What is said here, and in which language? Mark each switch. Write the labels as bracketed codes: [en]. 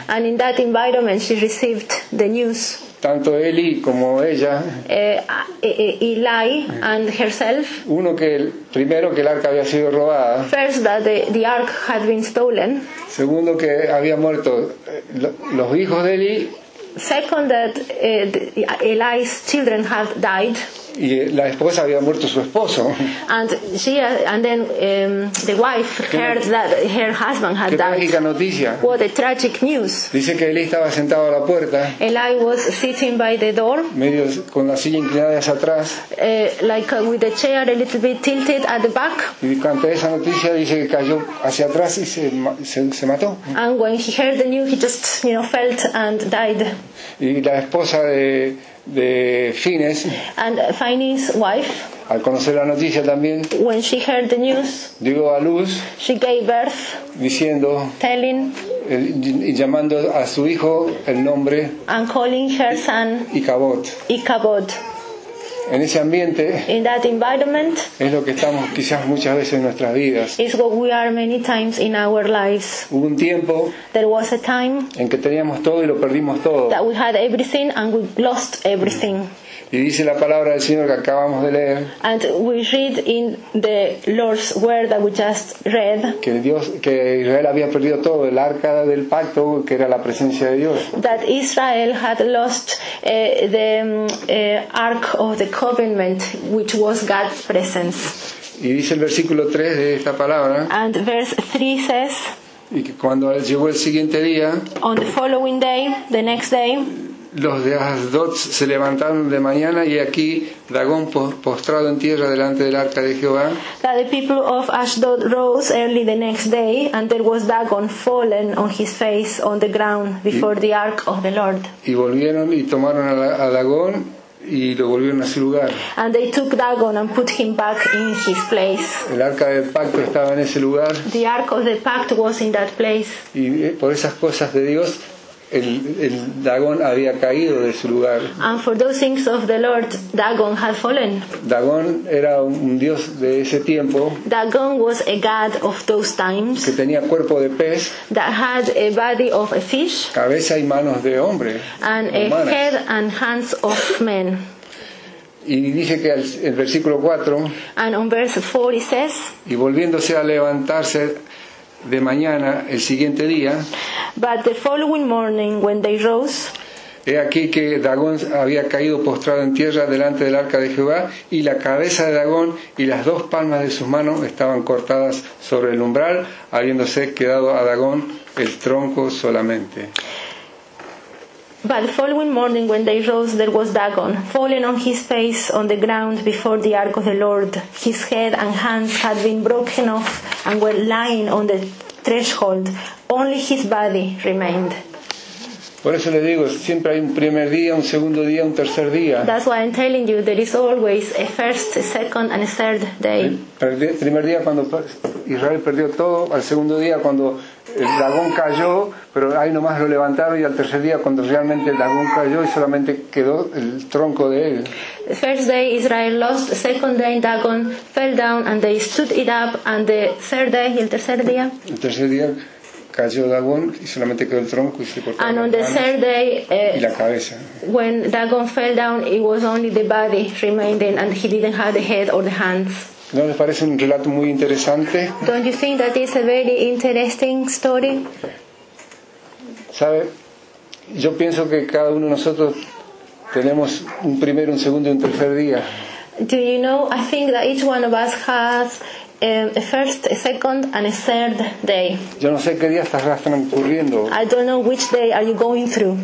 [en] And in that environment she received the news. [es] Tanto Eli como ella. [en] Eli and herself. [es] Uno que primero que el arca había sido robada. [en] First that the ark had been stolen. [es] Segundo que había muerto los hijos de Eli. [en] Second, that Eli's children had died. [es] Y la esposa había muerto su esposo. [en] And she, and then the wife heard that her husband had died. [es] Qué trágica noticia. [en] What a tragic news. [es] Dice que Eli estaba sentado a la puerta. [en] Eli was sitting by the door. [es] Medio con la silla inclinada hacia atrás. [en] With the chair a little bit tilted at the back. [es] Y ante esa noticia dice que cayó hacia atrás y se mató. [en] And when he heard the news, he just, you know, fell and died. [es] Y la esposa de Fines, [en] and Fines' wife, [es] al conocer la noticia también, [en] when she heard the news, [es] dio a luz, [en] she gave birth, [es] diciendo, [en] telling, [es] y llamando a su hijo el nombre, [en] and calling her son, [es] Ichabod. En ese ambiente, [en] in that environment, [es] es lo que estamos quizás muchas veces en nuestras vidas. [en] Is what we are many times in our lives. [es] Hubo un tiempo, [en] there was a time, [es] en que teníamos todo y lo perdimos todo. [en] That we had everything and we lost everything. [es] Y dice la palabra del Señor que acabamos de leer. [en] And we read in the Lord's word that we just read. [es] Que Dios, que Israel había perdido todo, el arca del pacto, que era la presencia de Dios. [en] That Israel had lost the ark of the covenant, which was God's presence. [es] Y dice el versículo 3 de esta palabra. [en] And verse 3 says. [es] Y que cuando llegó el siguiente día. [en] On the following day, the next day. [es] Los de Asdod se levantaron de mañana y aquí Dagón postrado en tierra delante del arca de Jehová. [en] That the people of Ashdod rose early the next day and there was Dagon fallen on his face on the ground before the ark of the Lord. [es] Y volvieron y tomaron a Dagón y lo volvieron a su lugar. [en] And they took Dagon and put him back in his place. [es] El arca del pacto estaba en ese lugar. [en] The ark of the pact was in that place. [es] Y por esas cosas de Dios el Dagón había caído de su lugar. [en] And for those things of the Lord, Dagon had fallen. [es] Dagon era un dios de ese tiempo. [en] Dagon was a god of those times. [es] Que tenía cuerpo de pez. [en] That had a body of a fish. [es] Cabeza y manos de hombre. [en] And [es] humanas. [en] A head and hands of men. [es] Y dice que el versículo 4. [en] And on verse 4 it says. [es] Y volviéndose a levantarse de mañana el siguiente día. [en] But the following morning when they rose, [es] he aquí que Dagón había caído postrado en tierra delante del arca de Jehová, y la cabeza de Dagón y las dos palmas de sus manos estaban cortadas sobre el umbral, habiéndose quedado a Dagón el tronco solamente. [en] But the following morning when they rose, there was Dagon, fallen on his face on the ground before the ark of the Lord. His head and hands had been broken off and were lying on the threshold. Only his body remained. [es] Por eso le digo, siempre hay un primer día, un segundo día, un tercer día. [en] That's why I'm telling you, there is always a first, a second and a third day. [es] El primer día cuando Israel perdió todo, al segundo día cuando el Dagón cayó, pero ahí nomás lo levantaron, y al tercer día cuando realmente el Dagón cayó y solamente quedó el tronco de él. [en] The first day Israel lost, the second day Dagon fell down and they stood it up, and the third day, [es] y el tercer día. El tercer día cayó Dagón y solamente quedó el tronco y se cortó. [en] And on the third day, [es] y la cabeza. [en] When Dagón fell down, it was only the body remaining, and he didn't have the head or the hands. [es] ¿No les parece un relato muy interesante? [en] Don't you think that is a very interesting story? [es] ¿Sabe? Yo pienso que cada uno de nosotros tenemos un primero, un segundo y un tercer día. [en] Do you know? I think that each one of us has a first, a second, and a third day. [es] Yo no sé qué día estás transcurriendo. [en] I don't know which day are you going through.